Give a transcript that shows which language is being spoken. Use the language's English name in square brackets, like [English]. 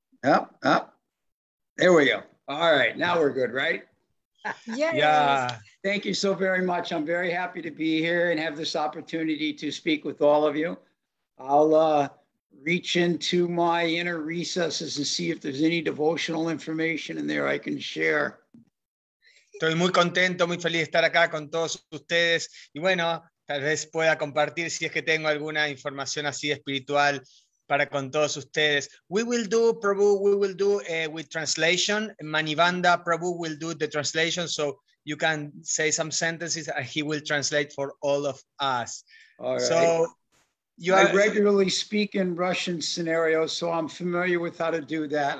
[English] Yep, yep. There we go. All right, now we're good, right? Yeah. Thank you so very much. I'm very happy to be here and have this opportunity to speak with all of you. I'll reach into my inner recesses and see if there's any devotional information in there I can share. [Spanish] Estoy muy contento, muy feliz de estar acá con todos ustedes. Y bueno, tal vez pueda compartir si es que tengo alguna información así espiritual para con todos ustedes. [English] We will do, Prabhu, we will do with translation. Manivanda, Prabhu, will do the translation, so you can say some sentences and he will translate for all of us. All right. So you are... I regularly speak in Russian scenarios, so I'm familiar with how to do that.